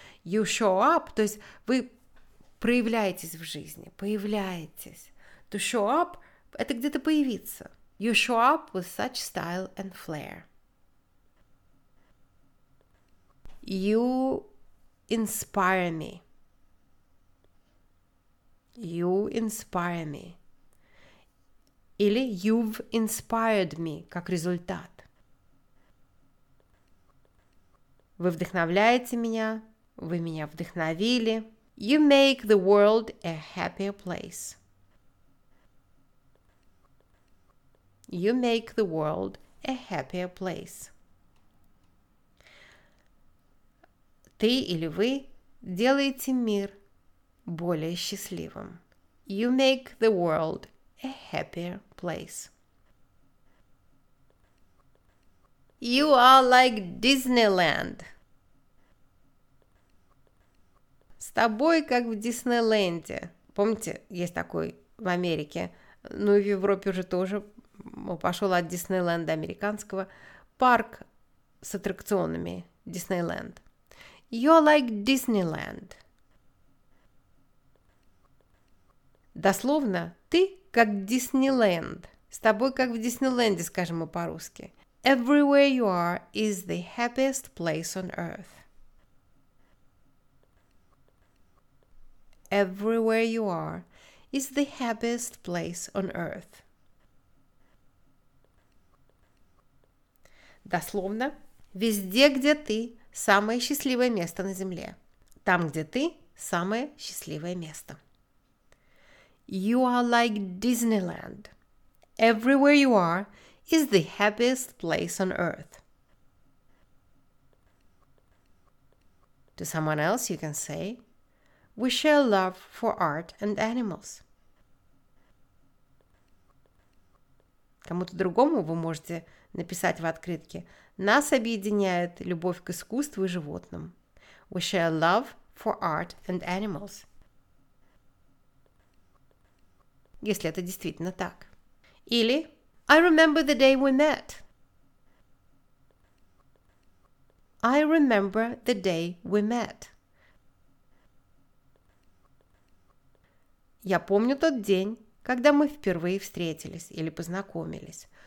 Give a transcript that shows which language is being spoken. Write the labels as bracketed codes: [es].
[en] You show up – [ru] то есть вы проявляетесь в жизни, появляетесь. [en] To show up [ru] – это где-то появиться. [en] You show up with such style and flair. You inspire me. You inspire me. [ru] Или [en] you've inspired me [ru] как результат. Вы вдохновляете меня, вы меня вдохновили. [en] You make the world a happier place. You make the world a happier place. [ru] Ты или вы делаете мир более счастливым. [en] You make the world a happier place. You are like Disneyland. [ru] С тобой как в Диснейленде. Помните, есть такой в Америке, ну и в Европе уже тоже, пошел от Диснейленда американского, парк с аттракционами Диснейленд. [en] You're like Disneyland. [ru] Дословно, ты как Диснейленд. С тобой как в Диснейленде, скажем мы по-русски. [en] Everywhere you are is the happiest place on earth. Everywhere you are is the happiest place on earth. [ru] Дословно, везде, где ты, самое счастливое место на земле. Там, где ты, самое счастливое место. [en] You are like Disneyland. Everywhere you are is the happiest place on earth. To someone else you can say, we share love for art and animals. [ru] Кому-то другому вы можете написать в открытке: нас объединяет любовь к искусству и животным. [en] We share love for art and animals. [ru] Если это действительно так. Или [en] I remember the day we met. I remember the day we met. [ru] Я помню тот день, когда мы впервые встретились или познакомились.